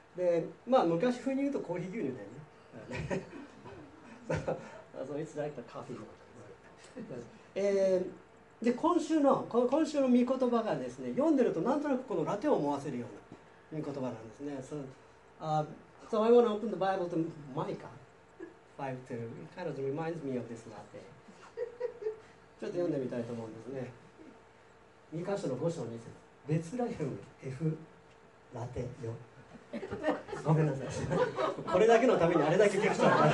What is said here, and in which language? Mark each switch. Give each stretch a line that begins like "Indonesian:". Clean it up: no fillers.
Japanese: で、まあ、昔風に言うとコーヒー牛乳だよね。
English: So it's like the coffee milk.
Japanese: で、今週の御言葉がですね、読んでるとなんとなくこのラテを思わせるような御言葉なんですね。
English: So, so I want to open the Bible to Micah 5:2. It kind of reminds me of this latte.
Japanese: ちょっと読んでみたいと思うんですね。御箇所の5章2節。ベツラヘム F ラテよ。ごめんなさい。これだけのためにあれだけ聞くと。